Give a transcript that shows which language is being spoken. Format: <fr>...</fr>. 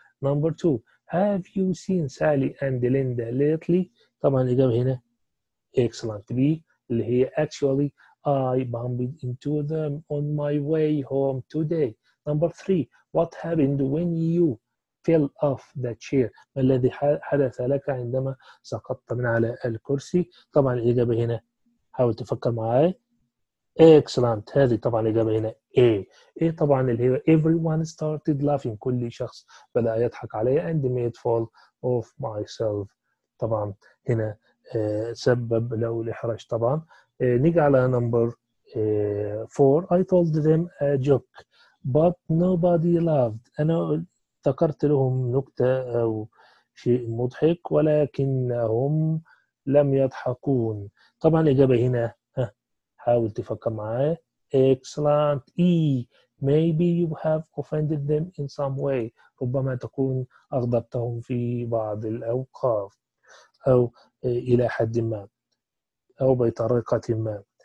<en>Number two, have you seen Sally and Linda lately.</en> <ar>طبعا الإجابة هنا excellent, B اللي هي</ar> <en>actually I bumped into them on my way home today. Number three, what happened when you fell off the chair?</en> <ar>ما الذي حدث لك عندما سقطت من على الكرسي؟ طبعا الإجابة هنا حاول تفكر معي.</ar> <en>Excellent.</en> <ar>هذه طبعا الإجابة هنا A. A طبعا اللي هي</ar> <en>everyone started laughing.</en> <ar>كل شخص بدأ يضحك علي</ar> <en>and made fall of myself.</en> <ar>طبعا هنا سبب لو الإحراج طبعا. نيجي على</ar> <en>number four, I told them a joke but nobody laughed.</en> <ar>أنا ذكرت لهم نكتة أو شيء مضحك ولكنهم لم يضحكون. طبعا الإجابة هنا حاول تفكر معي.</ar> <en>Excellent. E, maybe you have offended them in some way.</en> <ar>ربما تكون أغضبتهم في بعض الأوقات أو إلى حد ما أو بطريقة ما.</ar>